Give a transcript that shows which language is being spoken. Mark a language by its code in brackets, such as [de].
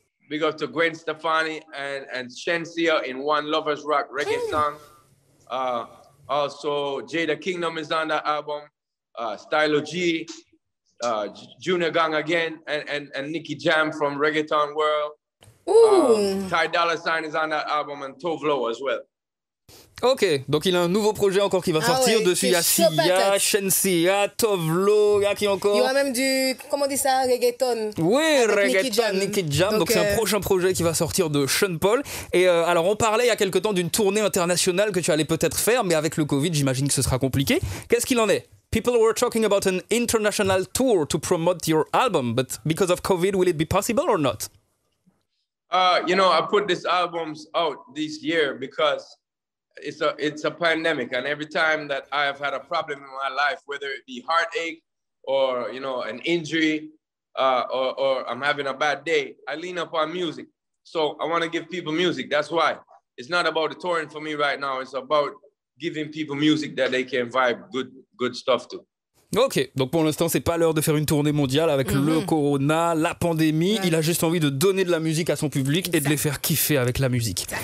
[en] Big up to Gwen Stefani and Shen Sia in One Lover's Rock reggae song. Also, Jada Kingdom is on that album. Stylo G, Junior Gang again, and Nicky Jam from Reggaeton World. Ooh. Ty Dolla $ign is on that album, and Tove Lo as well. [fr] Ok, donc il a un nouveau projet encore qui va sortir. Ouais, dessus, il y a Sia, Shen Sia, Tove Lo, il y a qui encore? Il y a même du, comment on dit ça, reggaeton. Oui, reggaeton, Nicky Jam. Donc c'est un prochain projet qui va sortir de Sean Paul. Et alors on parlait il y a quelque temps d'une tournée internationale que tu allais peut-être faire, mais avec le Covid, j'imagine que ce sera compliqué. Qu'est-ce qu'il en est? [en] People were talking about an international tour to promote your album, but because of Covid, will it be possible or not? You know, I put these albums out this year because it's a pandemic, and every time that I've had a problem in my life, whether it be heartache or, you know, an injury or I'm having a bad day, I lean upon music. So I want to give people music. That's why it's not about the touring for me right now. It's about giving people music that they can vibe good stuff to. [fr] Ok, donc pour l'instant, c'est pas l'heure de faire une tournée mondiale avec le corona, la pandémie. Ouais. Il a juste envie de donner de la musique à son public et de les faire kiffer avec la musique.